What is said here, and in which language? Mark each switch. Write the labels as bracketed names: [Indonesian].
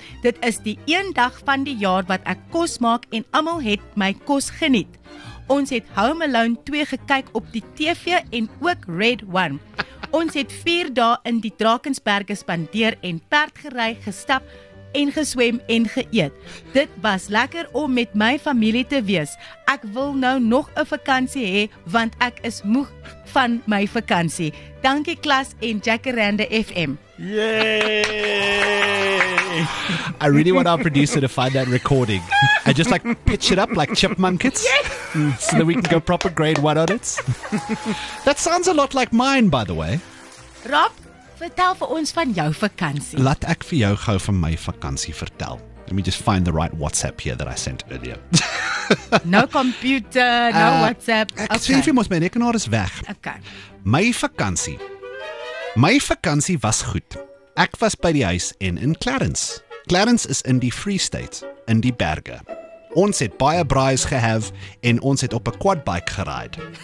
[Afrikaans] Dit is die een dag van die jaar wat ek kos maak en almal het my kos geniet. Ons het Home Alone 2 gekyk op die TV en ook Red One. Ons het 4 dae in die Drakensberge spandeer en perd gery, gestap en geswem en geëet. Dit was lekker om met my familie te wees. Ek wil nou nog 'n vakansie hê, want ek is moeg van my vakansie. Dankie klas en Jacaranda FM. Yay! [English] I really want our producer to find that recording. I just like pitch it up like chipmunkets. Yes. So that we can go proper grade 1 on it. That sounds a lot like mine, by the way. [Afrikaans] Rob, vertel vir ons van jou vakansie. Laat ek vir jou gou van my vakansie vertel. [English] Let me just find the right WhatsApp here that I sent earlier. No computer, no WhatsApp. [Afrikaans] Ek sien vir mos my rekenaar is weg. [English] Okay. [Afrikaans] My vakansie was goed. Ek was by die huis en in Clarence. Clarence is in die Free State, in die berge. Ons het baie braais gehav en ons het op 'n quadbike geraid.